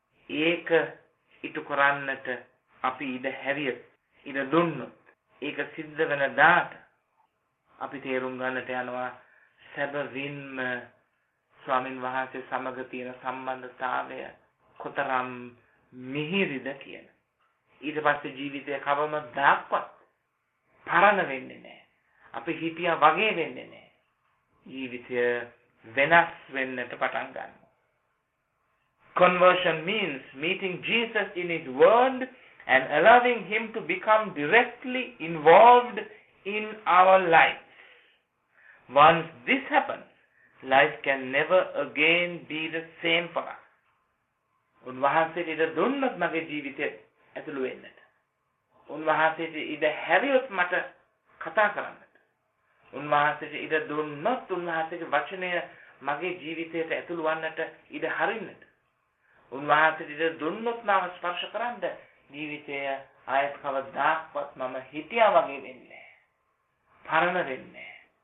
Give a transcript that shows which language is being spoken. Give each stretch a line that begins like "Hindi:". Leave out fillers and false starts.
Sinhala: ඒක ඉටු කරන්නට අපි ඉඩ හැරිය, ඉඩ දුන්නොත්, ඒක සිද්ධ වෙන දාට අපි තේරුම් ගන්නට යනවා සැබවින්ම ස්වාමින් වහන්සේ සමග තියෙන සම්බන්ධතාවය කොතරම් මිහිරිද කියන. ඊට පස්සේ ජීවිතය කවමදාක්වත් පරණ වෙන්නේ නැහැ. අපි හිටියා වගේ වෙන්නේ නැහැ. ජීවිතය වෙනස් වෙන්නට පටන් ගන්නවා.
English: Conversion means meeting Jesus in his word and allowing him to become directly involved in our lives. Once this happens, life can never again be the same for us.
Sinhala: උන්වහන්සේට ඉඩ දුන්නොත් මගේ ජීවිතය ඇතුළු වෙන්නට. උන්වහන්සේට ඉඩ හැරියොත් මට කතා කරන්නට. උන්වහන්සේට ඉඩ දුන්නොත් උන්වහන්සේගේ වචනය මගේ ජීවිතයට ඇතුළු වන්නට ඉඩ හරින්නට. උන්වහන්සේට ඉඩ දුන්නොත් මාව ස්පර්ශ කරන්න ජීවිතය ආයෙත් කවදාවත් මම හිටියා වගේ වෙන්නේ නැහැ. පරණ වෙන්නේ නැහැ.